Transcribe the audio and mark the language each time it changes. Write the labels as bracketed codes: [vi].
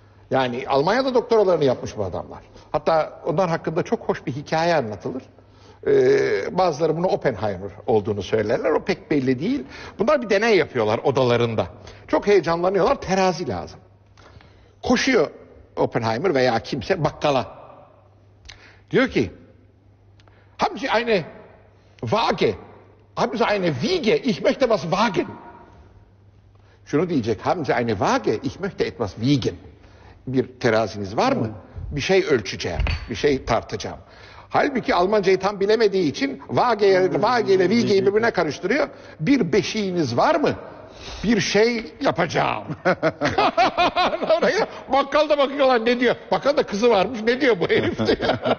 [tr] Yani Almanya'da doktoralarını yapmış bu adamlar. Hatta onlar hakkında çok hoş bir hikaye anlatılır. Bazıları bunu Oppenheimer olduğunu söylerler. O pek belli değil. Bunlar bir deney yapıyorlar odalarında. Çok heyecanlanıyorlar. Terazi lazım. Koşuyor Oppenheimer veya kimse bakkala. Diyor ki [de] Haben Sie eine Waage? Haben Sie eine Wiege? Ich möchte was wagen. [tr] Şunu diyecek. [de] Haben Sie eine Waage? Ich möchte etwas wiegen. [tr] Bir teraziniz var mı? Bir şey ölçeceğim, bir şey tartacağım. Halbuki Almancayı tam bilemediği için Waage ile Wiege'yi birbirine karıştırıyor. Bir beşiğiniz var mı? Bir şey yapacağım. Bakkal da bakıyor lan ne diyor? Bakkal da kızı varmış ne diyor bu herif diyor.